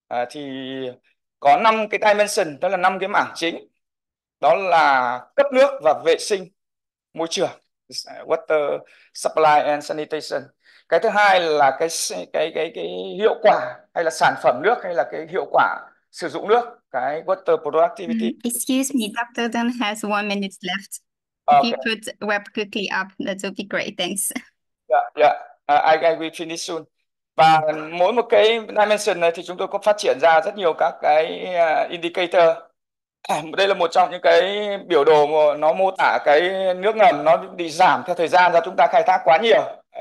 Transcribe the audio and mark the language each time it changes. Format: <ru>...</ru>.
<vi>thì có năm cái dimension, đó là năm cái mảng chính, đó là cấp nước và vệ sinh môi trường,</vi> <en>water supply and sanitation.</en> <vi>Cái thứ hai là cái hiệu quả, hay là sản phẩm nước, hay là cái hiệu quả sử dụng nước, cái</vi> <en>water productivity. Excuse me, Dr. Dan has 1 minute left. Ok. If you put web quickly up, that would be great. Thanks. I will finish soon.</en> <vi>Và mỗi một cái dimension này thì chúng tôi có phát triển ra rất nhiều các cái indicator. Đây là một trong những cái biểu đồ, nó mô tả cái nước ngầm nó bị giảm theo thời gian do chúng ta khai thác quá nhiều.</vi>